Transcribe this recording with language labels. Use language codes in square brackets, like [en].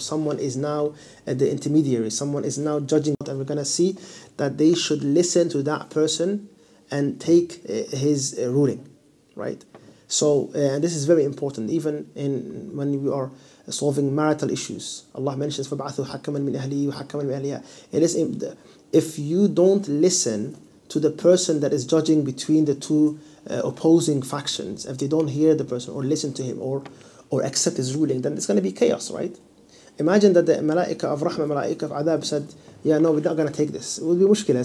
[en] Someone is now the intermediary. Someone is now judging. And we're going to see that they should listen to that person and take his ruling, right? So, and this is very important, even in when we are solving marital issues. Allah mentions, [ar] فَبْعَثُوا حَكَمًا مِنْ أَهْلِهِ وَحَكَمًا مِنْ أَهْلِهَا. [en] It is, if you don't listen to the person that is judging between the two opposing factions, if they don't hear the person or listen to him or accept his ruling, then it's going to be chaos, right? Imagine that the Malaika of Rahmah, Malaika of Adab said, yeah, no, we're not going to take this. It would be mushkila.